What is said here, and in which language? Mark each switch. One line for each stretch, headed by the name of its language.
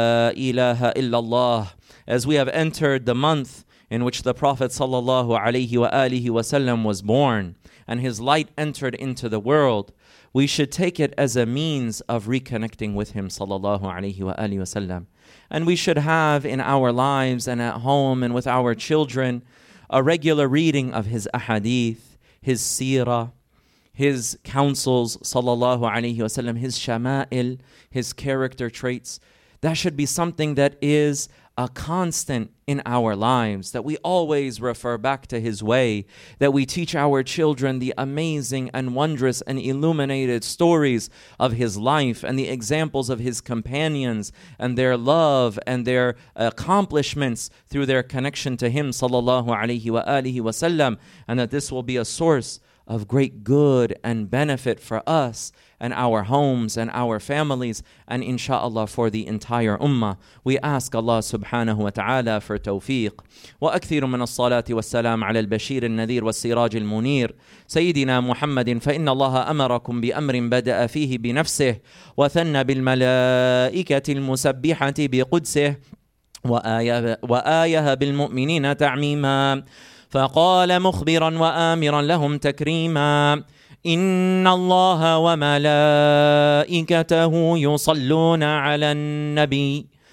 Arabic: إله إلا الله
English: As we have entered the month in which the Prophet sallallahu alayhi wa alihi wa sallam was born and his light entered into the world, we should take it as a means of reconnecting with him, sallallahu alayhi wa alihi wa sallam. And we should have in our lives and at home and with our children a regular reading of his ahadith, his seerah, his counsels, sallallahu alayhi wa sallam, his shama'il, his character traits. That should be something that is a constant in our lives, that we always refer back to his way, that we teach our children the amazing and wondrous and illuminated stories of his life and the examples of his companions and their love and their accomplishments through their connection to him, sallallahu alayhi wa alihi wa sallam, and that this will be a source of great good and benefit for us and our homes and our families and inshallah for the entire ummah. We ask Allah subhanahu wa ta'ala for tawfiq.
Arabic: Wa akthiru min as-salati was-salam ala al-bashir al-nadhir was-siraj al-munir sayyidina Muhammadin fa inna Allah amarakum bi amrin bada'a fihi bi nafsihi wa thanna bil malaikati al-musabbihati bi qudsihi wa ayaha bil mu'minina ta'mima فقال مخبرا وآمرا لهم تكريما إن الله وملائكته يصلون على النبي